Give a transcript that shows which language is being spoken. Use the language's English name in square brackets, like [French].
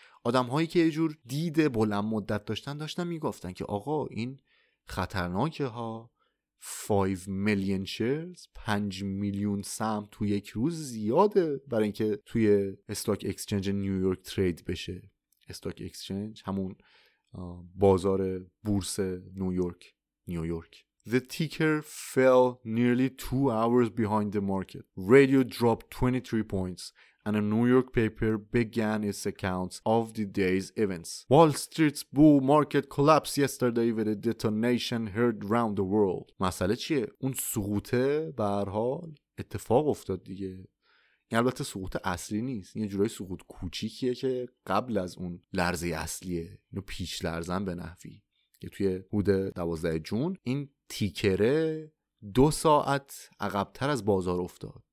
[Persian] آدم هایی که یه جور دید بلند مدت داشتن میگفتن که آقا این خطرناکه ها، 5 میلیون شیرز، 5 میلیون سهم تو یک روز زیاده برای اینکه توی استاک اکسچنج نیویورک ترید بشه. استاک اکسچنج همون بازار بورس نیویورک. [English] The ticker fell nearly 2 hours behind the market. Radio dropped 23 points and a New York paper began its accounts of the day's events. Wall Street's bull market collapsed yesterday with a detonation heard round the world. [Persian] مسئله چیه؟ اون سقوط به هر حال اتفاق افتاد دیگه. این البته سقوط اصلی نیست. این یه جورای سقوط کوچیکیه که قبل از اون لرزه اصلیه. اینو پیش لرزن به نحوی. یه توی حدود 12 جون این تیکره 2 ساعت عقبتر از بازار افتاد.